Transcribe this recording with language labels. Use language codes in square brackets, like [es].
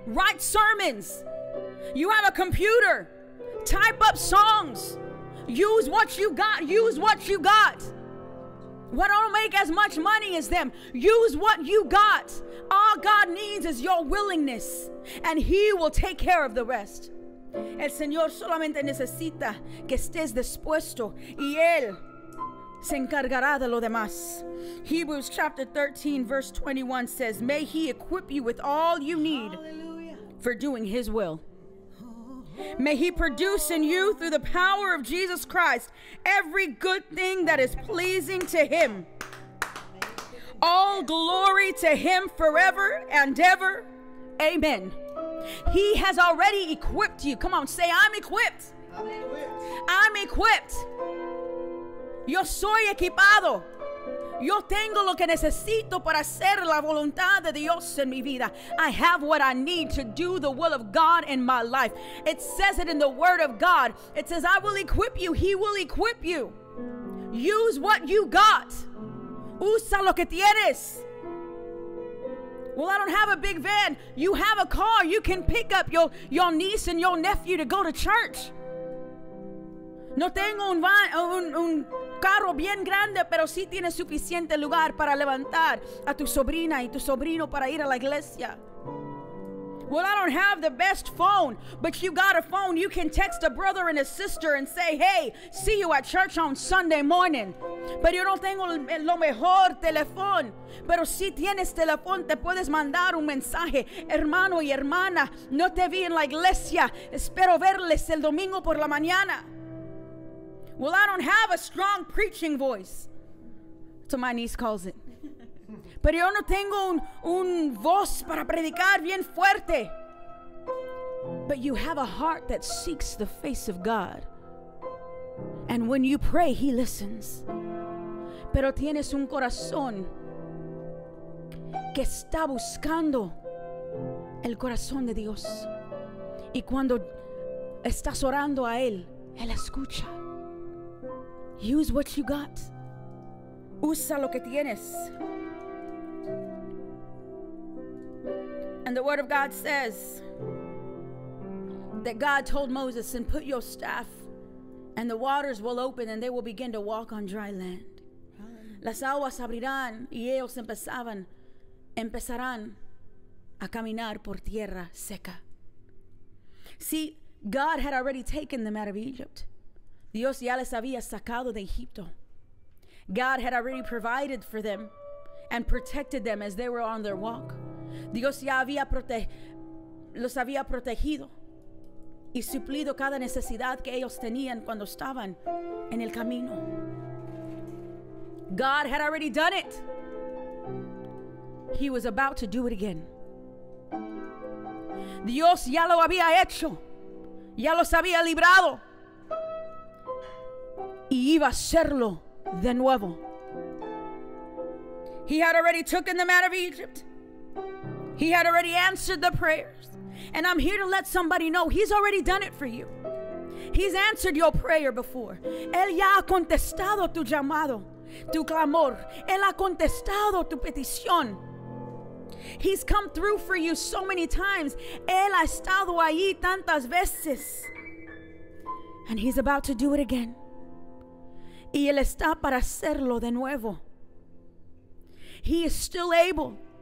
[en] Write sermons. You have a computer. Type up songs. Use what you got. Use what you got. What don't make as much money as them. Use what you got. All God needs is your willingness, and He will take care of the rest. [es] El Señor solamente necesita que estés dispuesto, y Él se encargará de lo demás. [en] Hebrews chapter 13 verse 21 says, may He equip you with all you need. Hallelujah. For doing His will. May He produce in you through the power of Jesus Christ every good thing that is pleasing to Him. All glory to Him forever and ever. Amen. He has already equipped you. Come on, say, I'm equipped. I'm equipped. [es] Yo soy equipado. Yo tengo lo que necesito para hacer la voluntad de Dios en mi vida. [en] I have what I need to do the will of God in my life. It says it in the word of God. It says, I will equip you. He will equip you. Use what you got. [es] Usa lo que tienes. [en] Well, I don't have a big van. You have a car. You can pick up your niece and your nephew to go to church. [es] No tengo un carro bien grande, pero sí tiene suficiente lugar para levantar a tu sobrina y tu sobrino para ir a la iglesia. [en] Well, I don't have the best phone, but you got a phone. You can text a brother and a sister and say, hey, see you at church on Sunday morning. [es] Pero yo no tengo lo mejor teléfono. Pero si tienes teléfono, te puedes mandar un mensaje. Hermano y hermana, no te vi en la iglesia. Espero verles el domingo por la mañana. [en] Well, I don't have a strong preaching voice. That's what my niece calls it. [es] Pero yo no tengo un voz para predicar bien fuerte. [en] But you have a heart that seeks the face of God. And when you pray, he listens. [es] Pero tienes un corazón que está buscando el corazón de Dios. Y cuando estás orando a él, él escucha. [en] Use what you got. [es] Usa lo que tienes. [en] And the word of God says that God told Moses, and put your staff, and the waters will open, and they will begin to walk on dry land. [es] Las aguas abrirán, y ellos empezarán a caminar por tierra seca. [en] See, God had already taken them out of Egypt. [es] Dios ya les había sacado de Egipto. [en] God had already provided for them and protected them as they were on their walk. [es] Dios ya había los había protegido y suplido cada necesidad que ellos tenían cuando estaban en el camino. [en] God had already done it. He was about to do it again. [es] Dios ya lo había hecho. Ya los había librado. Y iba a hacerlo de nuevo. [en] He had already taken them out of Egypt. He had already answered the prayers. And I'm here to let somebody know he's already done it for you. He's answered your prayer before. [es] Él ya ha contestado tu llamado, tu clamor. Él ha contestado tu petición. [en] He's come through for you so many times. [es] Él ha estado ahí tantas veces. [en] And he's about to do it again. [es] Y él está para hacerlo de nuevo. [en] He is still able.